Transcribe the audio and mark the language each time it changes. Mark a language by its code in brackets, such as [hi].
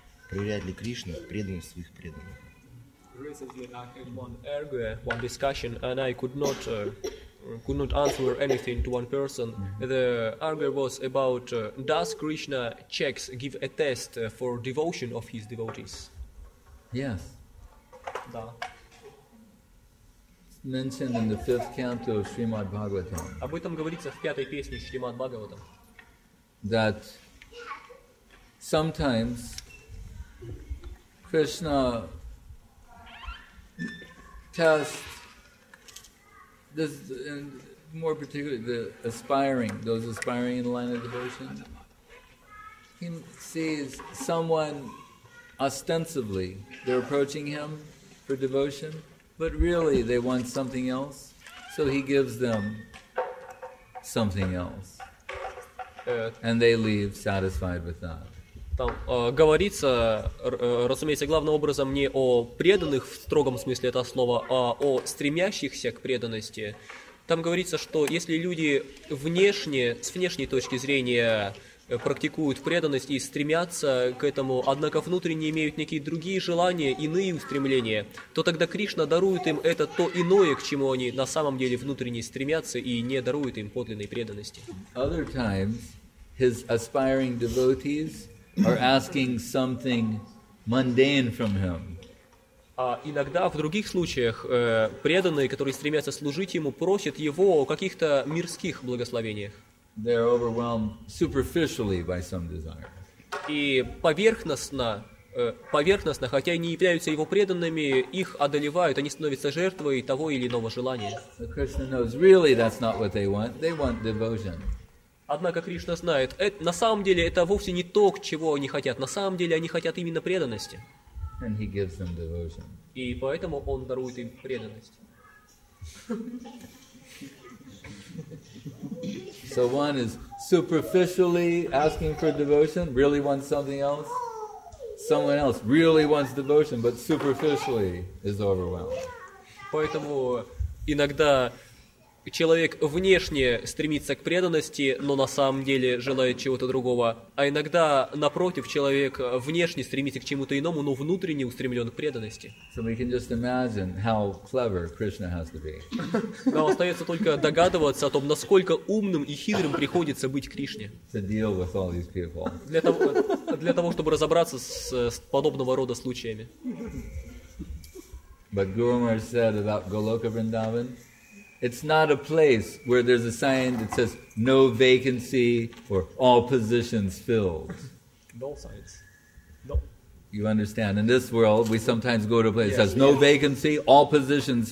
[ru] Проверяет ли Кришна преданность своих преданных? [en] Recently, I had one discussion, and I could not answer anything to one person. The argument was about does Krishna checks give a test for devotion of his devotees? Yes. [ru] Да. [en] It's mentioned in the fifth canto of Srimad Bhagavatam. [ru] Об этом говорится в пятой песне Шримад Бхагаватам. [en] That sometimes Krishna tests this, and more particularly those aspiring in the line of devotion. He sees someone ostensibly they're approaching him for devotion, but really they want something else, so he gives them something else, and they leave satisfied with that. [ru] Там говорится, разумеется, главным образом не о преданных в строгом смысле этого слова, а о стремящихся к преданности. Там говорится, что если люди с внешней точки зрения практикуют преданность и стремятся к этому, однако внутренне имеют некие другие желания, иные устремления, то тогда Кришна дарует им это то иное, к чему они на самом деле внутренне стремятся, и не дарует им подлинной преданности. [en] Other times, his aspiring devotees are asking something mundane from him. [ru] Иногда в других случаях преданные, которые стремятся служить ему, просят его о каких-то мирских благословениях. [en] They're overwhelmed superficially by some desire. [ru] И поверхностно поверхностно, хотя и не являются его преданными, их одолевают, они становятся жертвой того или иного желания. [en] Krishna knows really that's not what they want. They want devotion. [ru] Однако Кришна знает, на самом деле это вовсе не то, чего они хотят. На самом деле они хотят именно преданности. [en] And he gives them devotion. [ru] И поэтому он дарует им преданность. [en] So one is superficially asking for devotion, really wants something else. Someone else really wants devotion, but superficially is overwhelmed. [ru] Поэтому иногда человек внешне стремится к преданности, но на самом деле желает чего-то другого. А иногда, напротив, человек внешне стремится к чему-то иному, но внутренне устремлен к преданности. [en] So we can just imagine how clever Krishna has to be. [ru] Нам остается только догадываться о том, насколько умным и хитрым приходится быть Кришне. [en] To deal with all these people. [ru] Для того, чтобы разобраться с подобного рода случаями. [en] But Guru Maharaj said about Goloka Vrindavan, it's not a place where there's a sign that says no vacancy or all positions filled. No signs. No. Nope. You understand? In this world, we sometimes go to a place that says no vacancy, all positions